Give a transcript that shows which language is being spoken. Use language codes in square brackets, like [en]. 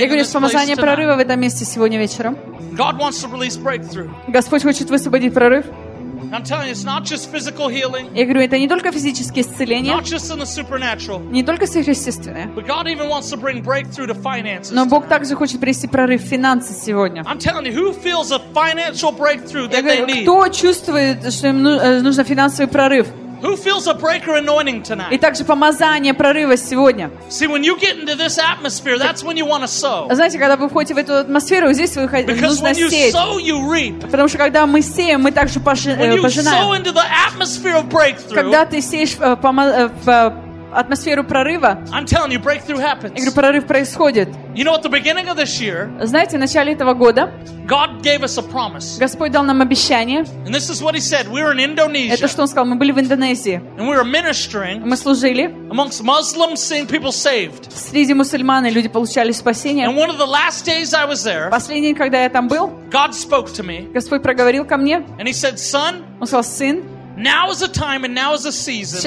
[ru] Я говорю, помазание прорыва в этом месте сегодня вечером. [en] God wants to release breakthrough. [ru] Господь хочет высвободить прорыв. [en] I'm telling you, it's not just physical healing. [ru] Я говорю, это не только физическое исцеление. [en] Not just in the supernatural. [ru] Не только сверхъестественное. [en] But God even wants to bring breakthrough to finances. [ru] Но Бог также хочет принести прорыв в финансы сегодня. [en] I'm telling you, who feels a financial breakthrough that they need? [ru] Кто чувствует, что им нужен финансовый прорыв? [en] Who feels a breaker anointing tonight? [ru] И также помазание прорыва сегодня. [en] See, when you get into this atmosphere, that's when you want to sow. [ru] Знаете, когда вы входите в эту атмосферу, здесь вы нужно сеять. [en] Because when you sow, you reap. [ru] Потому что когда мы сеем, мы также пожинаем. [en] When you sow into the atmosphere of breakthrough. [ru] Когда ты сеешь в атмосферу прорыва. [en] I'm telling you, breakthrough happens. [ru] Я говорю, прорыв происходит. [en] You know, at the beginning of this year. [ru] Знаете, в начале этого года. [en] God gave us a promise. [ru] Господь дал нам обещание. [en] And this is what He said. We were in Indonesia. [ru] Это что Он сказал? Мы были в Индонезии. [en] And we were ministering. [ru] Мы служили. [en] Amongst Muslims, seeing people saved. [ru] Среди мусульман люди получали спасение. [en] And one of the last days I was there. [ru] Последний день, когда я там был. [en] God spoke to me. [ru] Господь проговорил ко мне. [en] And He said, "Son." [ru] Он сказал, сын. [en] Now is a time and now is a season.